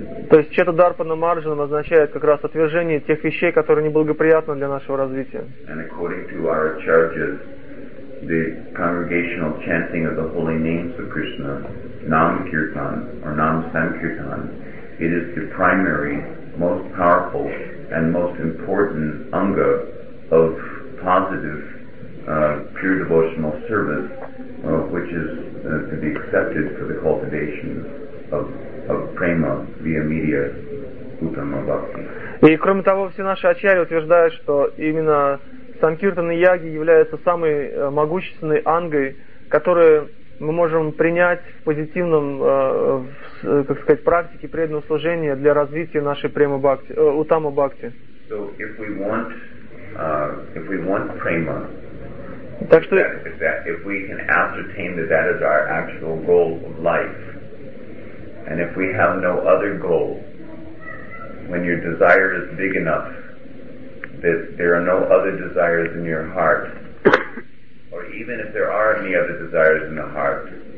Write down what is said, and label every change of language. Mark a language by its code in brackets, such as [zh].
[ru] То есть чета-дарпана марджанам означает как раз отвержение тех вещей, которые неблагоприятны для нашего развития. [en] And according to our charges, the congregational chanting of the holy names of Krishna, Nam Kirtan or Nam Sankirtan, it is the primary, most powerful and most important anga of positive pure devotional service, which is to be accepted for the cultivation of prema via media uttama bhakti. [ru] И кроме того, все наши ачарьи утверждают, что именно санкиртаны яги являются самой могущественной ангой, которую мы можем принять в позитивном, как сказать, практике преданного служения для развития нашей према бхакти, уттама бхакти. [en] So if we want prema, [ru] так что [en] if we can ascertain that that is our actual goal of life. And if we have no other goal, when your desire is big enough that there are no other desires in your heart, or even if there are any other desires in the heart,